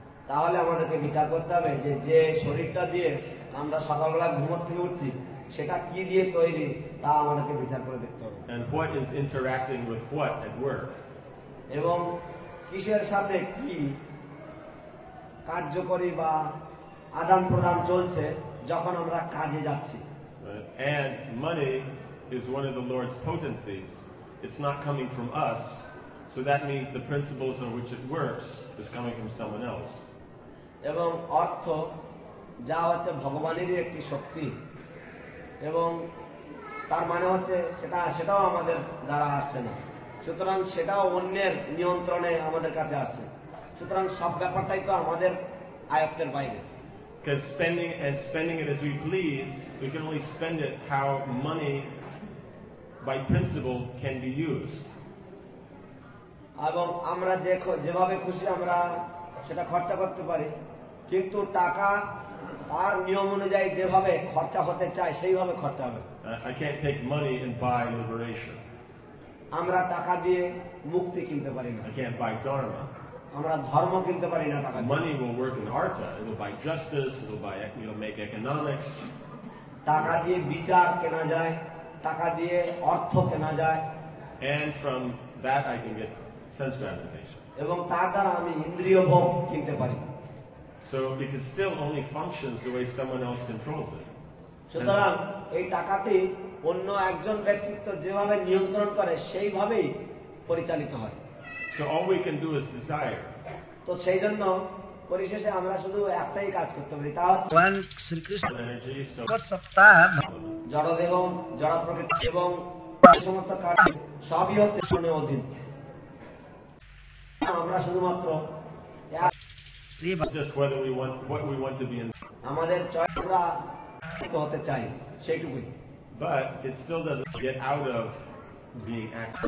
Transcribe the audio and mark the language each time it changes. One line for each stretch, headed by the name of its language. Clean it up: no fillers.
Bangla: তাহলে আমাদেরকে বিচার করতে হবে যে যে শরীরটা দিয়ে আমরা সকালবেলা ঘুমোর থেকে উঠছি সেটা কি দিয়ে তৈরি তা আমাদেরকে বিচার করে দেখতে হবে।
English: And what is interacting with what at work?
Bangla: এবং কিসের সাথে কি কার্যকরী বা আদান প্রদান চলছে যখন আমরা কাজে যাচ্ছি।
English: And money is one of the Lord's potencies. It's not coming from us, so that means the principles on which it works is coming from someone else.
Bangla: এবং অর্থ যা হচ্ছে ভগবানেরই একটি শক্তি এবং তার মানে হচ্ছে সেটাও আমাদের দ্বারা আসছে না, সুতরাং সেটাও অন্যের নিয়ন্ত্রণে আমাদের কাছে আসছে। সুতরাং সব ব্যাপারটাই তো আমাদের আয়ত্তের বাইরে।
English: Because spending it as we please, we can only spend it how money, by principle, can be used.
Bangla: এবং আমরা যেভাবে খুশি আমরা সেটা খরচা করতে পারি, কিন্তু টাকা আর নিয়ম অনুযায়ী যেভাবে খরচা হতে চায় সেইভাবে খরচা হবে।
English: I can't take money and buy liberation.
Bangla: আমরা টাকা দিয়ে মুক্তি কিনতে পারি না।
English: I can't buy dharma.
Bangla: আমরা ধর্ম কিনতে পারি না টাকা।
English: Money will work in artha. It will buy justice. It will buy, you know, make economics.
Bangla: টাকা দিয়ে বিচার কেনা যায়, টাকা দিয়ে অর্থ কেনা যায়।
English: And from that I can get sense gratification.
Bangla: এবং তার দ্বারা আমি ইন্দ্রিয় ভোগ কিনতে পারি।
English: So it is still only functions the way someone else controls it.
Bangla: সুতরাং এই টাকাটি অন্য একজন ব্যক্তিত্ব যেভাবে নিয়ন্ত্রণ করে সেইভাবেই পরিচালিত হয়।
English: So all we can do is desire.
Bangla: তো সেই জন্য পরিশেষে আমরা শুধু একটাই কাজ করতে পারি, তা হচ্ছে ভগবান শ্রীকৃষ্ণ সত্তা জড়দেহ জড় প্রকৃতি এবং সমস্ত কাজ সবই হচ্ছে শূন্য অধীন। আমরা শুধুমাত্র
English: Just whether we want what we want to be in.
Bangla: আমাদের চয়টা তো হতে চাই সেইটুকুই।
English: But it still doesn't get out of being active.